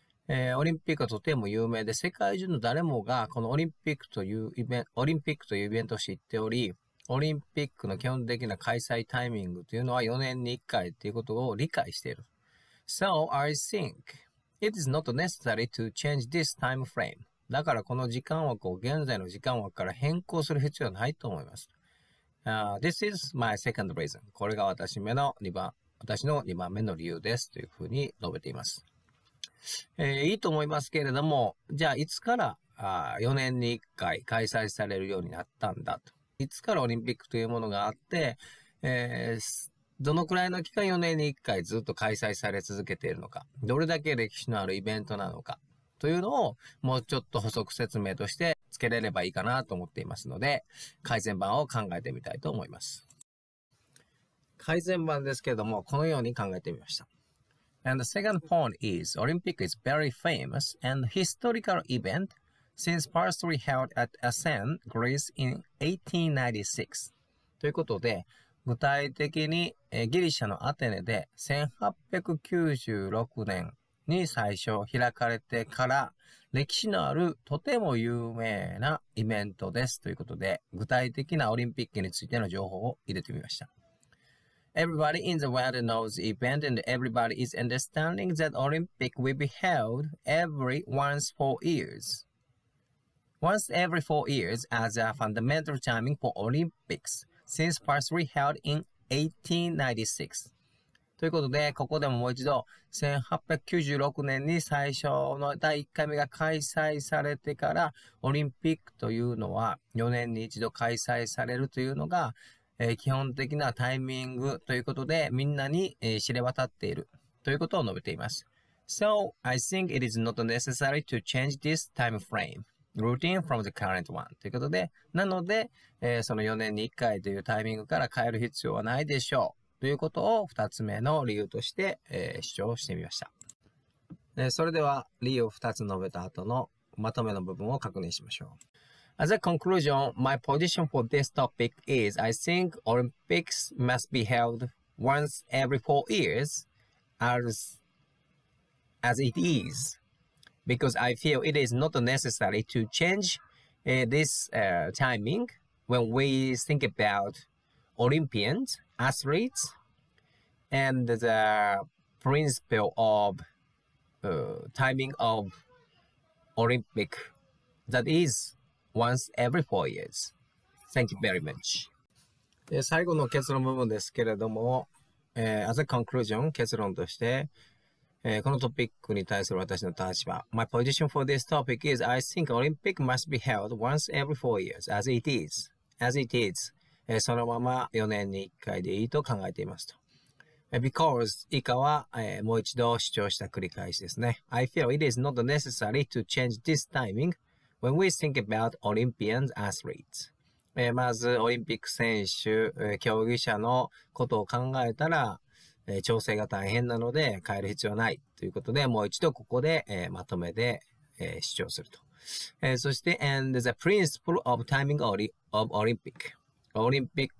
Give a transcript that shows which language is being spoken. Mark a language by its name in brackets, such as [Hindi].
[Japanese] オリンピックはとても有名で、世界中の誰もがこのオリンピックというイベントを知っており、オリンピックの基本的な開催タイミングというのは4年に1回ということを理解している。 [English] So I think it is not necessary to change this time frame. [Japanese] だからこの時間枠を現在の時間枠から変更する必要はないと思います。 [English] This is my second reason. [Japanese] これが私の2番目の理由ですというふうに述べています。いいと思いますけれども、じゃあいつから4年に1回開催されるようになったんだと。いつからオリンピックというものがあって、どのくらいの期間4年に1回ずっと開催され続けているのか、どれだけ歴史のあるイベントなのか、というのをもうちょっと補足説明としてつけれればいいかなと思っていますので、改善版を考えてみたいと思います。改善版ですけれども、このように考えてみました。 [English] And the second point is Olympic is very famous and historical event since firstly held at Athens, Greece in 1896. [Japanese] ということで、具体的にギリシャのアテネで1896年に最初開かれてから歴史のあるとても有名なイベントですということで、具体的なオリンピックについての情報を入れてみました。 [English] Everybody in the world knows the event and everybody is understanding that Olympic will be held every once 4 years. Once every 4 years as a fundamental timing for Olympics since first re-held in 1896. [Japanese] ということで、ここでももう一度、1896年に最初の第1回目が開催されてから、オリンピックというのは4年に一度開催されるというのが、基本的なタイミングということで、みんなに、知れ渡っているということを述べています。 [English] So, I think it is not necessary to change this time frame routine from the current one. [Japanese] ということで、なので、その4年に1回というタイミングから変える必要はないでしょう。ということを2つ目の理由として、主張してみました。それでは理由を2つ述べた後のまとめの部分を確認しましょう。 [English] As a conclusion, my position for this topic is I think Olympics must be held once every 4 years as it is because I feel it is not necessary to change timing when we think about Olympians, athletes, and the principle of timing of Olympic that is once every 4 years. Thank you very much. [Japanese] 最後の結論部分ですけれども、 [English] as a conclusion, [Japanese] 結論として、このトピックに対する私の立場。 [English] My position for this topic is I think Olympic must be held once every 4 years as it is. As it is. [Japanese] そのまま4年に1回でいいと考えていますと。 Because 以下は、もう一度主張した繰り返しですね。 [English] I feel it is not necessary to change this timing when we think about Olympian athletes. [Japanese] まず、オリンピック選手、競技者のことを考えたら、調整が大変なので変える必要ないということで、もう一度ここで、まとめで、主張すると。 [English] そして、And the principle of timing of Olympic.